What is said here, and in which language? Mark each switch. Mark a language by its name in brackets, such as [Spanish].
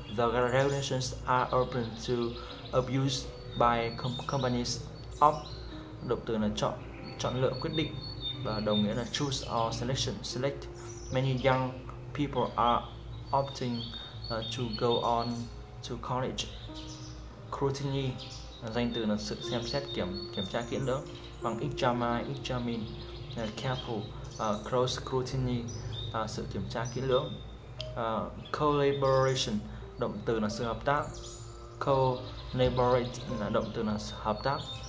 [English] The regulations are open to abuse by companies. [Vietnamese] Of động từ là chọn lựa, quyết định, và đồng nghĩa là choose or select. [English] Many young people are opting to go on to college. [Vietnamese] Scrutiny, danh từ là sự xem xét, kiểm tra kỹ lưỡng. Bằng examine, careful, close scrutiny, sự kiểm tra kỹ lưỡng. Collaboration, động từ là sự hợp tác. Collaborate là động từ là hợp tác.